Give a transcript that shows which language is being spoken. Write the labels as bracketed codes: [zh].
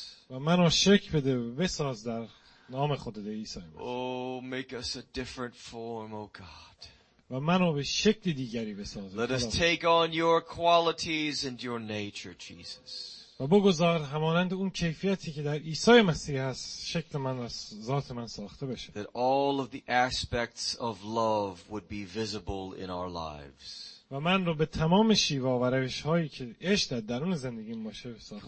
[fa] و منو شکل بده و بساز در نام خودت عیسی مسیح. [en] Make us a different form, oh God. [fa] و منو به شکل دیگری بساز. [en] Let us take on your qualities and your nature, Jesus. [fa] و بگذار همانند اون کیفیتی که در عیسی مسیح هست شکل من و ذات من ساخته بشه. [en] That all of the aspects of love would be visible in our lives. [fa] و من رو به تمام شیوا و روش هایی که عشق در درون زندگیم باشه ساخته